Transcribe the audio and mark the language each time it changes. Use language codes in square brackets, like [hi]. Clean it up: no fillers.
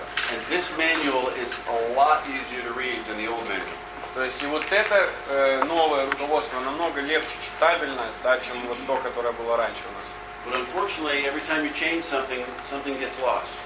[en] And this manual is a lot easier to read than the old manual. [ru] То есть и вот это новое руководство намного легче читабельно, да, чем вот то, которое было раньше у нас. [en] But unfortunately, every time you change something, something gets lost.